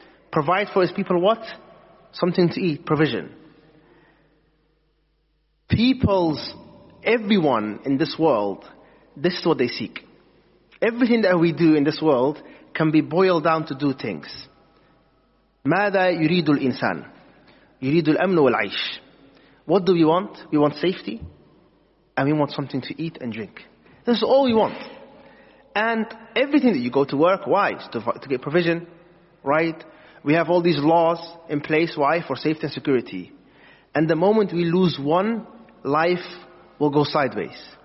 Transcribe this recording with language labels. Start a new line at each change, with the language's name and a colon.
English: Provide for his people what? Something to eat, provision. Peoples, everyone in this world, this is what they seek. Everything that we do in this world can be boiled down to two things.
Arabic: ماذا يريد الإنسان؟ يريد الأمن والعيش.
English: What do we want? We want safety. And we want something to eat and drink. This is all we want. And everything that you go to work, why? To get provision, right? We have all these laws in place, why? For safety and security. And the moment we lose one, life will go sideways.